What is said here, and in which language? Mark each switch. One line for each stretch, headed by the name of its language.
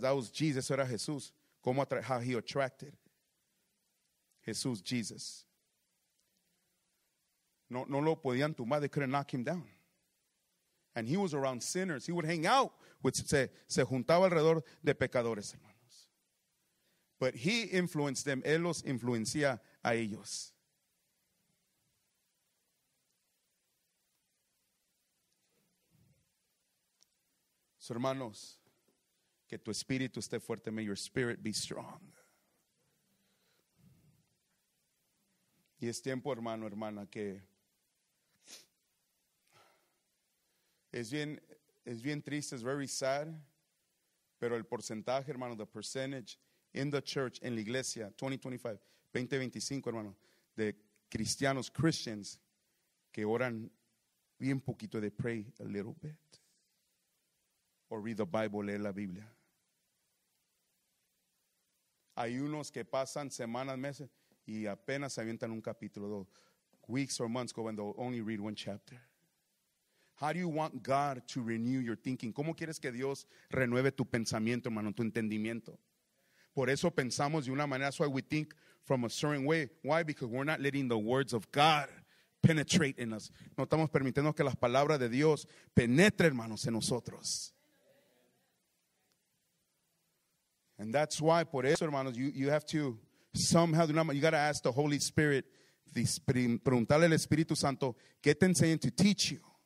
English: That was Jesus,
Spanish: era Jesús.
English: Cómo how he attracted. Jesús, Jesus.
Spanish: No lo podían tumbar,
English: they couldn't knock him down. And he was around sinners. He would hang out with,
Spanish: se juntaba alrededor de pecadores, hermanos.
English: But he influenced them,
Spanish: él los influencia a ellos. So, hermanos, que tu espíritu esté fuerte,
English: may your spirit be strong.
Spanish: Y es tiempo, hermano, hermana, que Es bien triste, es
English: very sad,
Spanish: pero el porcentaje, hermano,
English: the percentage in the church,
Spanish: en la iglesia, 2025, hermano, de cristianos, Christians, que oran bien poquito,
English: they pray a little bit, or read the Bible,
Spanish: leer la Biblia. Hay unos que pasan semanas, meses, y apenas se avientan un capítulo, dos,
English: weeks or months go and they'll only read one chapter. How do you want God to renew your thinking?
Spanish: ¿Cómo quieres que Dios renueve tu pensamiento, hermano, tu entendimiento? Por eso pensamos de una manera.
English: That's why we think from a certain way. Why? Because we're not letting the words of God penetrate in us.
Spanish: No estamos permitiendo que las palabras de Dios penetren, hermanos, en nosotros.
English: And that's why,
Spanish: por eso, hermanos,
English: you have to somehow, you got to ask the Holy Spirit,
Spanish: preguntarle al Espíritu Santo, ¿qué te enseñan
English: to teach you?